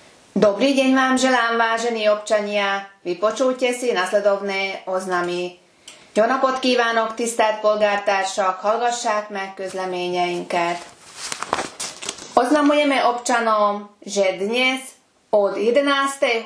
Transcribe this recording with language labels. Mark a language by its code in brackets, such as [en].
[sk] Dobrý deň vám želám, vážení občania. Vypočujte si nasledovné oznamy. [hu] Jó napot kívánok, tisztelt polgártársak, hallgassák meg közleményeinket. [sk] Oznamujeme občanom, že dnes od 11.